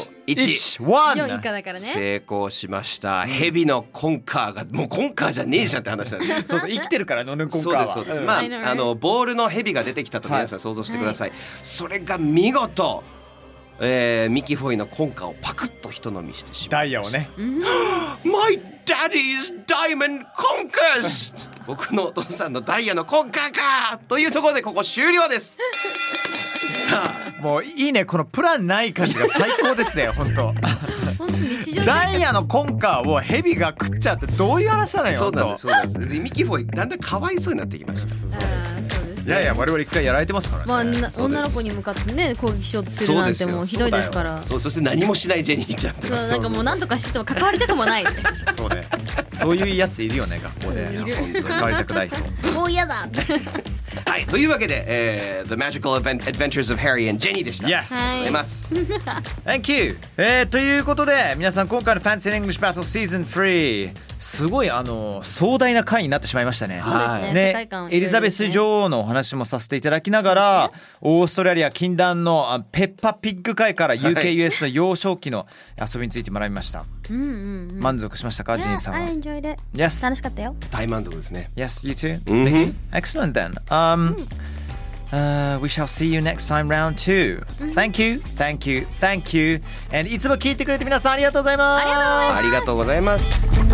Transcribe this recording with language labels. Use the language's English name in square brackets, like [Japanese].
[Japanese] 以下だからね。成功しました。ヘビのコンカーが、もうコンカーじゃねえじゃんって話なんです。そうそう、生きてるからね、コンカーは。そうです、そうです、まあ、あのボールのヘビが出てきたと皆さん想像してください、はい、それが見事、ミキフォイのコンカーをパクッと人飲みしてしまいました。ダイヤをね。 [English] My daddy's diamond conkers! [Japanese] 僕のお父さんのダイヤの骨格かというところでここ終了です。さあもういいね、このプランない感じが最高ですね。本当ダイヤの根幹をヘビが食っちゃってどういう話なのよ。そうなんです。ミキフォイだんだんかわいそうになってきました。そうです、ね、いやいや我々一回やられてますからね、まあ、女の子に向かってね攻撃しようとするなんてもうひどいですから。そう、そして何もしないジェニーちゃんって、なんかもう何とかしてても関わりたくもない。そうね、そういうやついるよね学校で。いる、関わりたくない人もう嫌だ。はい、というわけで、The Magical Adventures of Harry and Jenny でした。 [English] Yes! [Japanese] はい、ます。 [English] Thank you!、 [Japanese] ということで、皆さん今回の Fancy in English Battle Season 3すごい壮大な回になってしまいましたね。そうですね、はい、ね、世界観エリザベス女王のお話もさせていただきながら、ね、オーストラリア禁断のペッパピッグ回から UKUS の幼少期の遊びについて学びました。うんうんうん、満足しましたか、ジニーさんは。 [English] Yeah, I enjoyed it. Yes. [Japanese] 楽しかったよ。大満足ですね。 [English] Yes, you too. Mm-hmm. Excellent then. We shall see you next time round two. Thank you, thank you, thank you. And [Japanese] いつも聞いてくれて皆さんありがとうございます。ありがとうございます。